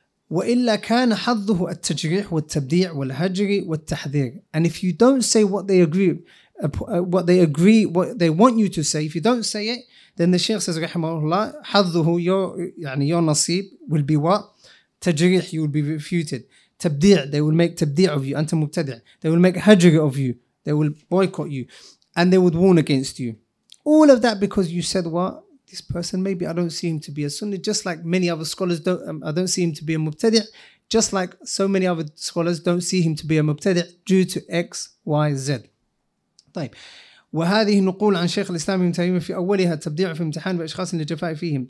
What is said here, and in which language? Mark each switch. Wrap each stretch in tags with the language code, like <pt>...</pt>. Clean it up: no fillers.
<ar>وإلا كان حظه التجريح والتبديع والهجر والتحذير.</ar> <en>And if you don't say what they want you to say, if you don't say it, then the Shaykh says,</en> <ar>رحمه الله,</ar> <en>حظه, your نصيب will be what? تجريح, you will be refuted. تبديع, they will make تبديع of you,</en> <ar>أنت مبتدع.</ar> <en>They will make هجر of you, they will boycott you, and they would warn against you. All of that because you said what? This person, maybe I don't see him to be a sunni, just like many other scholars don't, I don't see him to be a mubtadi', just like so many other scholars don't see him to be a mubtadi' due to X, Y, Z.</en> <ar>طيب. وهذه نقول عن شيخ الإسلام ابن تيمية في أولها تبديع في امتحان بأشخاص لجفاء فيهم.</ar>